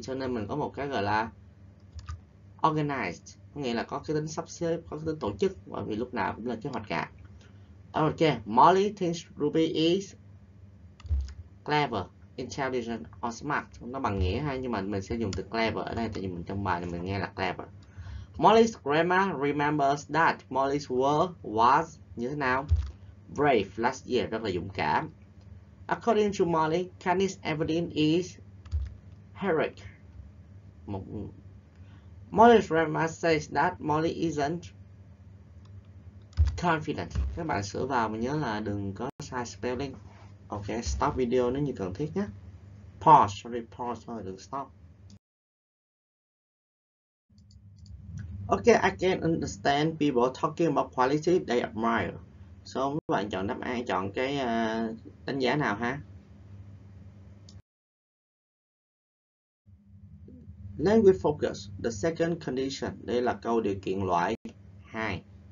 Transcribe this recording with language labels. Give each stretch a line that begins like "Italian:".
Vietnamese: Cho nên mình có một cái gọi là organized. Có nghĩa là có cái tính sắp xếp, có cái tính tổ chức. Bởi vì lúc nào cũng là kế hoạch cả.
English: Ok, Molly thinks Ruby is clever, intelligent or smart.
Vietnamese: Nó bằng nghĩa ha, nhưng mà mình sẽ dùng từ clever ở đây. Tại vì mình trong bài này mình nghe là clever.
English: Molly's grandma remembers that Molly's world was
Vietnamese: như thế nào?
English: Brave last year,
Vietnamese: rất là dũng cảm.
English: According to Molly, Candice Everdeen is heroic. Molly's grandma says that Molly isn't confident.
Vietnamese: Các bạn sửa vào mà nhớ là đừng có sai spelling. Ok, stop video nếu như cần thiết nhé. Pause thôi, đừng stop.
English: Ok, I can understand people talking about quality they admire.
Vietnamese: So, các bạn chọn đáp án, chọn cái đánh giá nào ha?
English: Language focus, the second condition.
Vietnamese: Đây là câu điều kiện loại 2.